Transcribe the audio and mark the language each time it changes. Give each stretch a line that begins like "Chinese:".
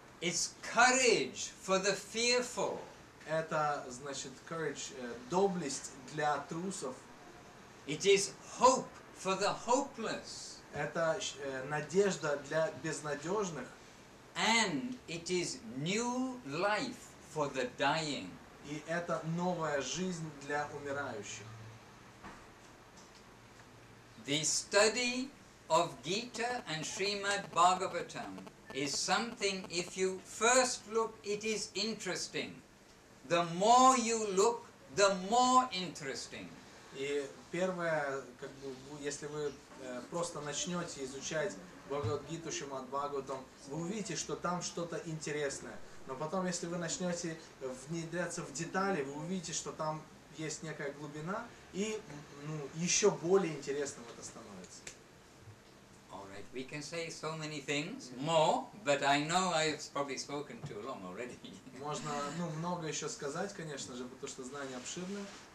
English: It's courage for the fearful.
Russian: Это, значит, courage, доблесть для трусов.
English: It is hope for the hopeless.
Russian: Это надежда для безнадежных.
English: And it is new life for the dying.
Russian: И это новая жизнь для умирающих.
English: The study of Gita and Srimad Bhagavatam is something, if you first look, it is interesting. The more you look, the more interesting.
Russian: И первое, как бы, если вы просто начнете изучать Бхагавад-гиту, Шримад Бхагаватам, вы увидите, что там что-то интересное. Но потом, если вы начнете внедряться в детали, вы увидите, что там есть некая глубина, и еще более интересным это становится.
English: All right, we can say so many things more, but I know I've probably spoken too long already.
Russian: Можно много еще сказать, конечно же, потому что знания обширны.